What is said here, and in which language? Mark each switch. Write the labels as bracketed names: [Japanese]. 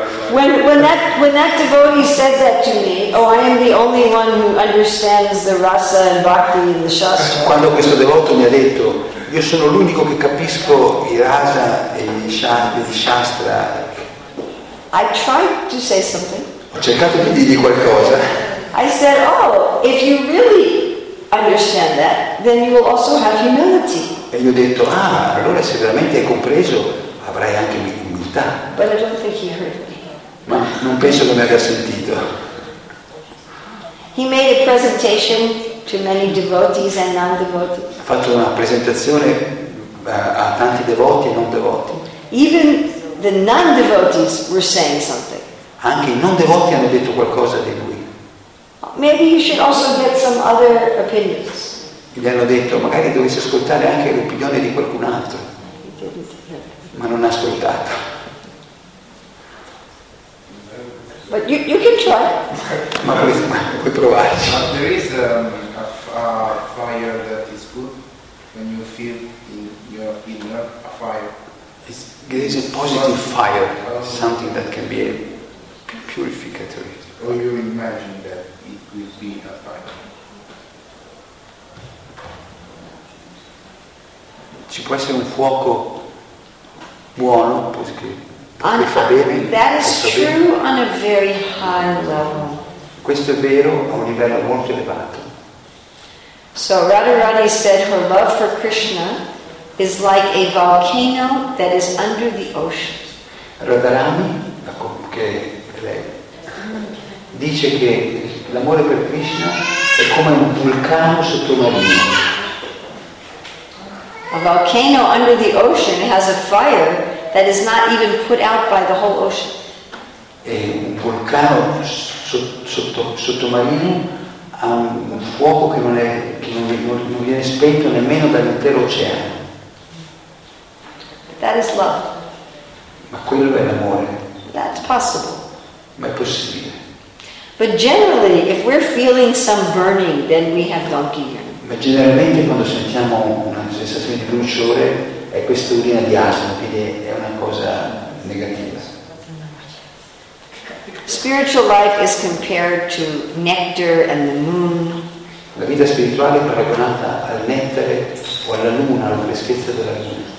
[English] When that devotee said that to me, oh, I am the only one who understands the rasa and bhakti in the shastra. [Italian] Quando questo devoto mi ha detto, io sono l'unico che capisco i rasa e i shastra. [English] I tried to say something. [Italian] Ho cercato di dirgli qualcosa. [English] I said, oh, if you really understand that, then you will also have humility. [Italian] E gli ho detto, ah, allora se veramente hai compreso, avrai anche umiltà. [English] But I don't think he heard me. [Italian] Ma non penso che mi abbia sentito. [English] He made a presentation to many devotees and non-devotees. [Italian] Ha fatto una presentazione a tanti devoti e non devoti. [English] Even the non-devotees were saying something. [Italian] Anche i non devoti hanno detto qualcosa di lui. [English] Maybe you should also get some other opinions. [Italian] Gli hanno detto magari dovessi ascoltare anche l'opinione di qualcun altro. Ma non ha ascoltato. [English] But you can try. [Italian] Ma puoi provarci. [English] But there is a fire that is good when you feel in your inner a fire. There is a positive fire, something that can be a purificatory. Or you imagine that it will be a fire. [Italian] Ci può essere un fuoco buono, perché fa bene. [English] That is true on a very high level. [Italian] Questo è vero a un livello molto elevato. [English] So Radharani said her love for Krishna is like a volcano that is under the ocean. [Italian] Radharani, che lei dice che l'amore per Krishna è come un vulcano sotto una rima. [English] A volcano under the ocean has a fire that is not even put out by the whole ocean. [Italian] è un vulcano sottomarino, ha un fuoco che non viene spento nemmeno dall'intero oceano. [English] That is love. [Italian] Ma quello è l'amore. [English] That's possible. [Italian] Ma è possibile. [English] But generally, if we're feeling some burning, then we have donkey urine. [Italian] Ma generalmente quando sentiamo una sensazione di bruciore, è questa urina di asino, quindi è una cosa negativa. [English] Spiritual life is compared to nectar and the moon. [Italian] La vita spirituale è paragonata al nettare o alla luna, alla freschezza della luna.